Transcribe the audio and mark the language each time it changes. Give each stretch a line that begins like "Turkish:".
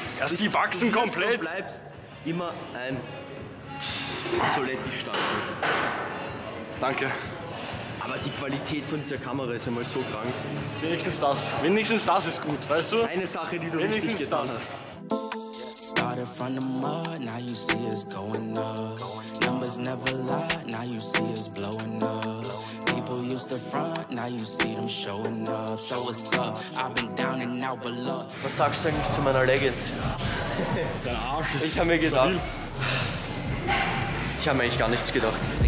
German: Erst die wachsen komplett. Du bleibst immer ein Soletti-Stand. Danke. Aber die Qualität von dieser Kamera ist einmal so krank. Wenigstens das ist gut, weißt du? Eine Sache, die du richtig getan hast.
English: Started from the mud, now you see us going up. Numbers never lie, now you see us blowing up. People used to front, now you see them showing up. So what's up, I've been down and out below.
German: Was sagst du eigentlich zu meiner Legend? Dein Arsch ist. Ich hab mir gedacht. Ich hab mir eigentlich gar nichts gedacht.